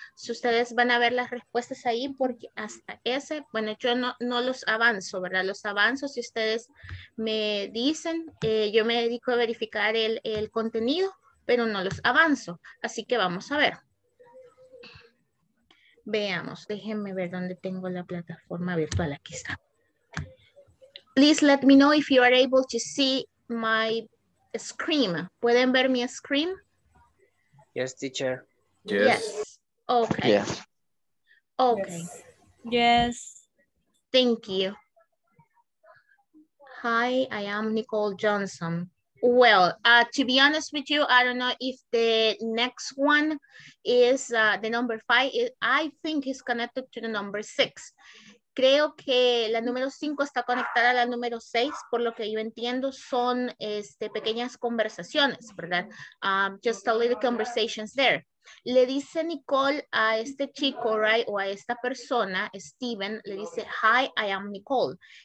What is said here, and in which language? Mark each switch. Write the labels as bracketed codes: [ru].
[es] Si ustedes van a ver las respuestas ahí, porque hasta ese, bueno, yo no los avanzo, ¿verdad? Los avanzo si ustedes me dicen. Yo me dedico a verificar el contenido, pero no los avanzo. Así que vamos a ver. Veamos, déjenme ver dónde tengo la plataforma virtual. Aquí está. [en] Please let me know if you are able to see my screen. [es] ¿Pueden ver mi screen? [en] Yes, teacher. Yes. Yes. Okay. Yes. Okay. Yes. Thank you. Hi, I am Nicole Johnson. Well, to be honest with you, I don't know if the next one is the number 5. I think it's connected to the number 6. [es] Creo que la número 5 está conectada a la número 6, por lo que yo entiendo son pequeñas conversaciones, ¿verdad? [en] Just a little conversations there. [es] Le dice Nicole a este chico, right, o a esta persona, Steven, le dice, [en] hi, I am Nicole.